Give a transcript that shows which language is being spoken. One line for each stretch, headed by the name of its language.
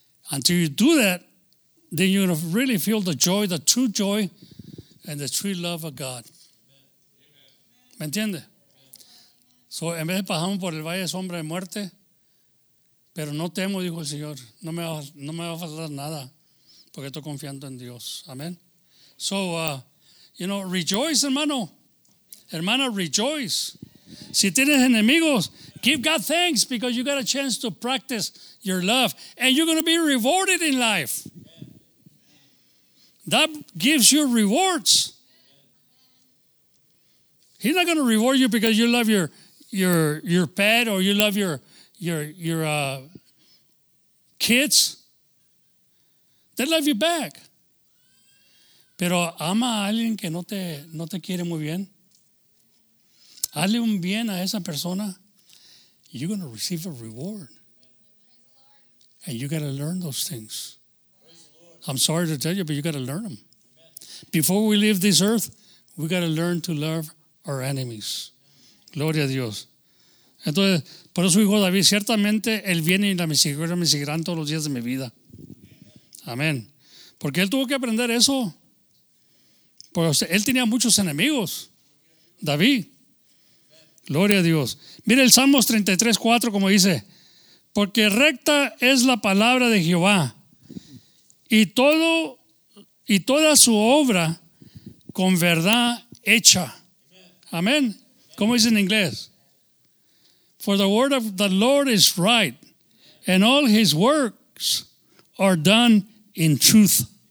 English: Until you do that, then you're going to really feel the joy, the true joy, and the true love of God.
Spanish: ¿Me entiende? So, en vez de pasamos por el valle de sombra de muerte, pero no temo, dijo el Señor, no me va a faltar nada, porque estoy confiando en Dios.
English: Amén. So, you know, rejoice, hermano. Hermana, rejoice.
Spanish: Si tienes enemigos,
English: give God thanks because you got a chance to practice your love and you're going to be rewarded in life. That gives you rewards. He's not going to reward you because you love your pet or you love your kids. They love you back.
Spanish: Pero ama a alguien que no te quiere muy bien. Hazle un bien a esa persona,
English: you're going to receive a reward. And you got to learn those things. I'm sorry to tell you, but you got to learn them. Before we leave this earth, we got to learn to love our enemies.
Spanish: Gloria a Dios. Entonces, por eso dijo David, ciertamente él viene y la misericordia me seguirán todos los días de mi vida. Amén. Porque él tuvo que aprender eso. Pues él tenía muchos enemigos. David. Gloria a Dios. Mire el Salmos 33:4 como dice, porque recta es la palabra de Jehová y toda su obra con verdad hecha. Amén. ¿Cómo dice en inglés?
English: For the word of the Lord is right and all his works are done in truth.